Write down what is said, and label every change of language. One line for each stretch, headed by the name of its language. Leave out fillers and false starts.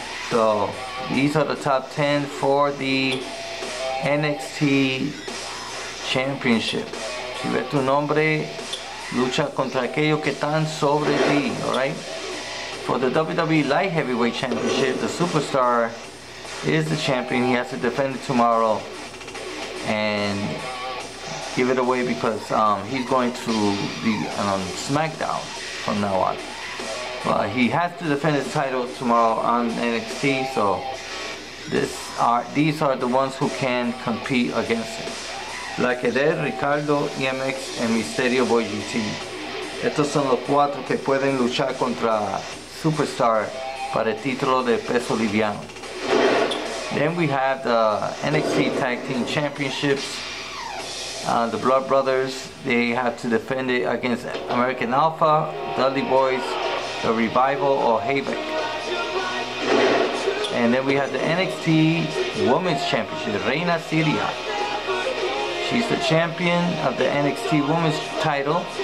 English: So these are the top 10 for the NXT Championship.
Spanish: Si ve tu nombre, lucha contra aquellos que están sobre ti, alright?
English: For the WWE Light Heavyweight Championship, the Superstar is the champion. He has to defend it tomorrow and give it away because he's going to be on SmackDown from now on. But he has to defend his title tomorrow on NXT, so these are the ones who can compete against him. Black Adair, Ricardo, EMX, and Mysterio Boy GT.
Spanish: Estos son los cuatro que pueden luchar contra Superstar para el título de peso liviano.
English: Then we have the NXT Tag Team Championships. The Blood Brothers, they have to defend it against American Alpha, Dudley Boys, The Revival, or Havoc. And then we have the NXT Women's Championship, Reina Siria. She's the champion of the NXT Women's title.